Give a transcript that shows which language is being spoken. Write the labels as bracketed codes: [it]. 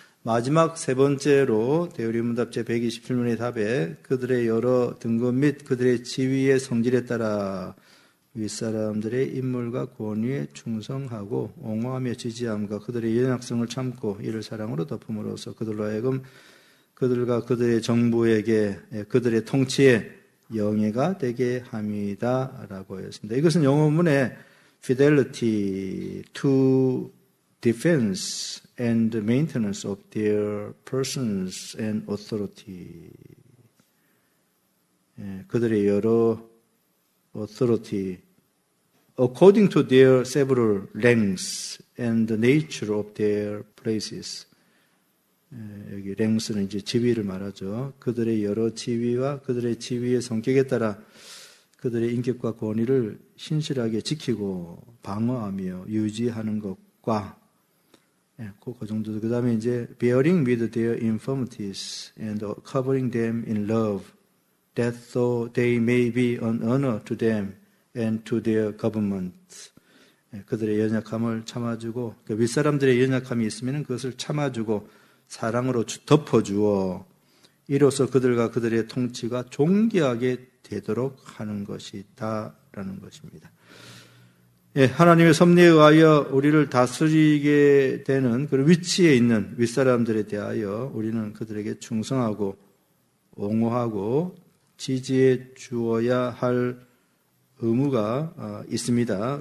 [ko] 마지막 세 번째로 대우리문답 제127문의 답에 그들의 여러 등급 및 그들의 지위의 성질에 따라 윗사람들의 인물과 권위에 충성하고 옹호하며 지지함과 그들의 연약성을 참고 이를 사랑으로 덮음으로써 그들로 하여금 그들과 그들의 정부에게 그들의 통치에 영예가 되게 합니다 라고 하였습니다. 이것은 영어문의 [en] fidelity to defense and maintenance of their persons and authority. [ko] 예, 그들의 여러 [en] authority according to their several ranks and the nature of their places. [ko] 예, 여기 ranks는 이제 지위를 말하죠. 그들의 여러 지위와 그들의 지위의 성격에 따라 그들의 인격과 권위를 신실하게 지키고 방어하며 유지하는 것과 예, 그 정도. 그 다음에 이제, [en] bearing with their infirmities and covering them in love, that though they may be an honor to them and to their government. [ko] 예, 그들의 연약함을 참아주고, 그러니까 윗사람들의 연약함이 있으면 그것을 참아주고, 사랑으로 덮어주어, 이로써 그들과 그들의 통치가 존귀하게 되도록 하는 것이다. 라는 것입니다. 예, 하나님의 섭리에 의하여 우리를 다스리게 되는 그 위치에 있는 윗사람들에 대하여 우리는 그들에게 충성하고 옹호하고 지지해 주어야 할 의무가 있습니다.